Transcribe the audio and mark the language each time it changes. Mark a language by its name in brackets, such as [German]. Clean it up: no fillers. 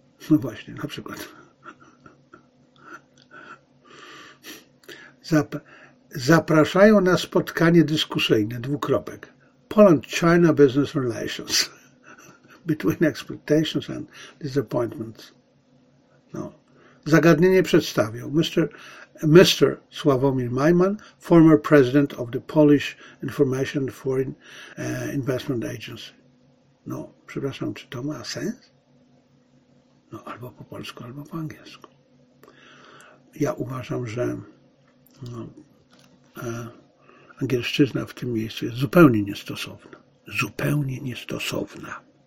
[Polish] No właśnie, na przykład. Zapraszają na spotkanie dyskusyjne, dwukropek. [English] Poland-China Business Relations. Between expectations and disappointments. [Polish] No. Zagadnienie przedstawią. [English] Mr. Sławomir Majman, former president of the Polish Information Foreign Investment Agency. [Polish] No, przepraszam, czy to ma sens? No, albo po polsku, albo po angielsku. Ja uważam, że angielszczyzna w tym miejscu jest zupełnie niestosowna. Zupełnie niestosowna.